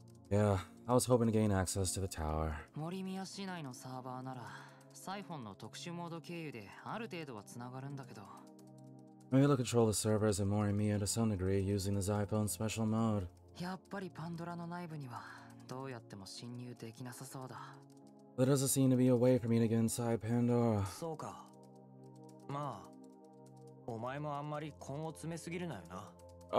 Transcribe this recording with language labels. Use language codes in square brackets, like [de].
[en] Yeah, I was hoping to gain access to the tower. [ja] モリミヤ市内のサーバーなら サイフォンの特殊モード経由である程度は繋がるんだけど. [en] Maybe they control the servers in Morimiya to some degree using the Xiphone special mode. [ja] やっぱりパンドラの内部にはどうやっても侵入できなさそうだ. [en] There doesn't seem to be a way for me to get inside Pandora. [ja] そうか. まあ お前もあんまり根を詰めすぎるなよな.